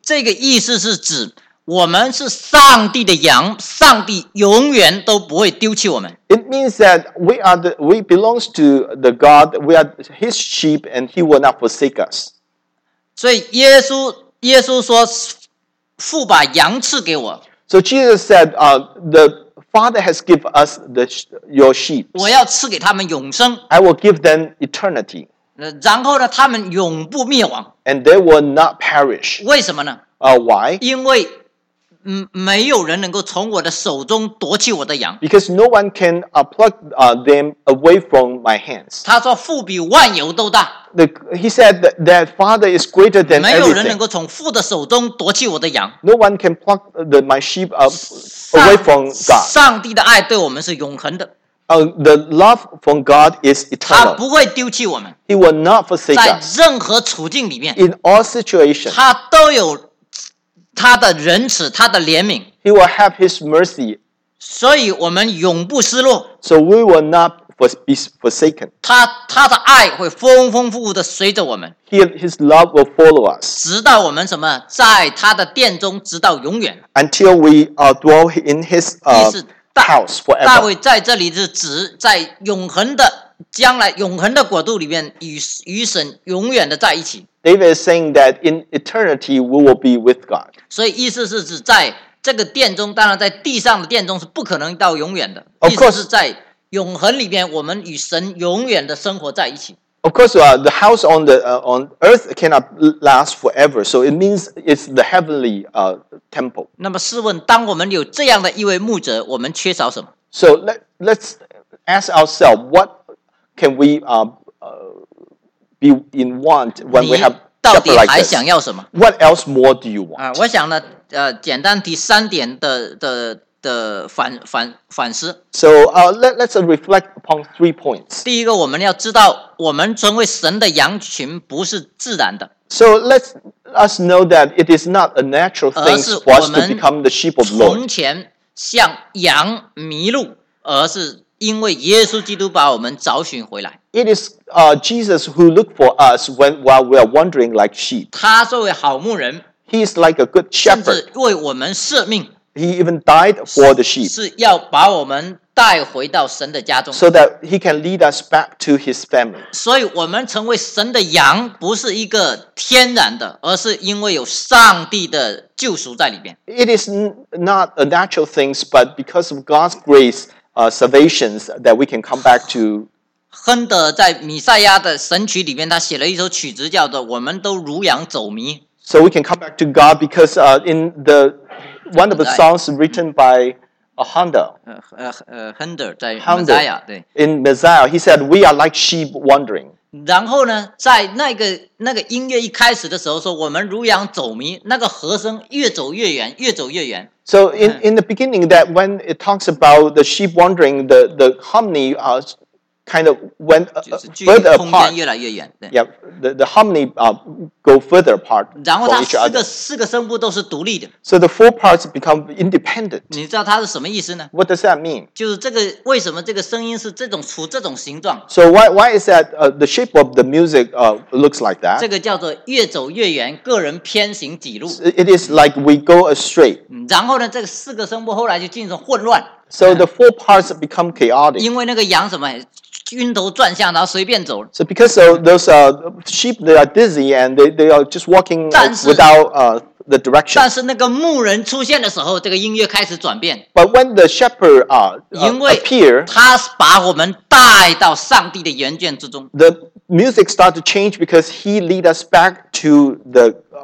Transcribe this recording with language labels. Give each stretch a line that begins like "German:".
Chinese: 这个意思是指我们是上帝的羊，上帝永远都不会丢弃我们。
English: It means that we belong to the God, we are his sheep, and he will not forsake us.
Chinese: 所以耶稣说父把羊赐给我。
English: So Jesus said, the Father has given us your sheep.
Chinese: 我要赐给他们永生。
English: I will give them eternity.
Chinese: 然后呢，他们永不灭亡。
English: And they will not perish.
Chinese: 为什么呢？
English: Why?
Chinese: 因为没有人能够从我的手中夺去我的羊。
English: Because no one can pluck them away from my hands.
Chinese: 他说父比万有都大。
English: He said that Father is greater than everything.
Chinese: 没有人能够从父的手中夺去我的羊。
English: No one can pluck my sheep up away from God.
Chinese: 上帝的爱对我们是永恒的。
English: The love from God is eternal.
Chinese: 他不会丢弃我们。
English: He will not forsake us.
Chinese: 在任何处境里面。
English: In all situations.
Chinese: 他都有他的仁慈，他的怜悯。
English: He will have his mercy.
Chinese: 所以我们永不失落。
English: So we will not be forsaken.
Chinese: 他的爱会丰丰富富的随着我们。
English: His love will follow us.
Chinese: 直到我们什么，在他的殿中直到永远。
English: Until we dwell in his house forever.
Chinese: 大卫在这里是指在永恒的将来永恒的国度里面 与神永远的在一起。
English: David is saying that in eternity we will be with God.
Chinese: 所以意思是指在这个殿中，当然在地上的殿中是不可能到永远的。
English: Of course,
Chinese: 意思是在永恒里面，我们与神永远的生活在一起。
English: Of course, the house on the on earth cannot last forever. So it means it's the heavenly temple.
Chinese: 那么试问，当我们有这样的一位牧者，我们缺少什么
English: ？So let's ask ourselves, what can we be in want when we have shepherd like this?
Chinese: 你到底还想要什么
English: ？What else more do you want？
Chinese: 我想呢，简单提三点的反思。
English: So let's reflect upon three points.
Chinese: 第一个，我们要知道，我们成为神的羊群不是自然的。
English: So let us know that it is not a natural thing for us to become the sheep of the Lord.
Chinese: 从前像羊迷路，而是因为耶稣基督把我们找寻回来。
English: It is Jesus who looked for us while we are wandering like sheep.
Chinese: 他作为好牧人
English: ，He is like a good shepherd.
Chinese: 甚至为我们舍命。
English: He even died for the sheep.
Chinese: 是要把我们带回到神的家中。
English: So that he can lead us back to his family.
Chinese: 所以我们成为神的羊不是一个天然的，而是因为有上帝的救赎在里面。
English: It is not a natural thing, but because of God's grace, salvations that we can come back to.
Chinese: 亨德在《弥赛亚》的神曲里面，他写了一首曲子叫做《我们都如羊走迷》。
English: So we can come back to God because in the one of the songs written by Handel.
Chinese: Handel 在 Messiah 对。
English: In Messiah, he said, "We are like sheep wandering."
Chinese: 然后呢，在那个音乐一开始的时候说，我们如羊走迷，那个和声越走越远，越走越远。
English: So in the beginning, that when it talks about the sheep wandering, the harmony kind of went further apart.
Chinese: 距离空间越来越远。
English: Yeah, the harmony go further apart.
Chinese: 然后它四个声部都是独立的。
English: So the four parts become independent.
Chinese: 你知道它是什么意思呢
English: ？What does that mean?
Chinese: 就是这个为什么这个声音是这种处这种形状
English: ？So why is that the shape of the music looks like that?
Chinese: 这个叫做越走越远，个人偏行己路。
English: It is like we go astray.
Chinese: 然后呢，这个四个声部后来就进入混乱。
English: So the four parts become chaotic.
Chinese: 因为那个羊什么？晕头转向，然后随便走。
English: So because of those sheep, they are dizzy and they are just walking without the direction.
Chinese: 但是那个牧人出现的时候，这个音乐开始转变。
English: But when the shepherd appear,
Chinese: 他把我们带到上帝的眼眷之中。
English: The music started to change because he lead us back to the.